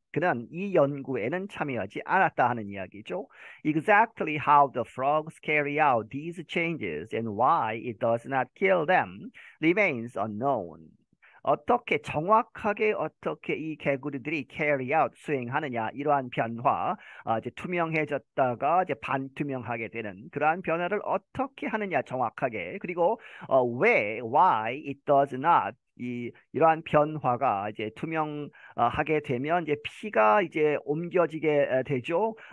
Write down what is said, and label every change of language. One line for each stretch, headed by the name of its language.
Korean: 그는 이 연구에는 참여하지 않았다 하는 이야기죠.
English: Exactly how the frogs carry out these changes and why it does not kill them remains unknown.
Korean: 어떻게 정확하게 어떻게 이 개구리들이
English: carry out
Korean: 수행하느냐 이러한 변화 이제 투명해졌다가 이제 반투명하게 되는 그러한 변화를 어떻게 하느냐 정확하게 그리고 왜
English: why it does not
Korean: 이러한 변화가 이제 투명하게 되면 이제 피가 이제 옮겨지게 되죠.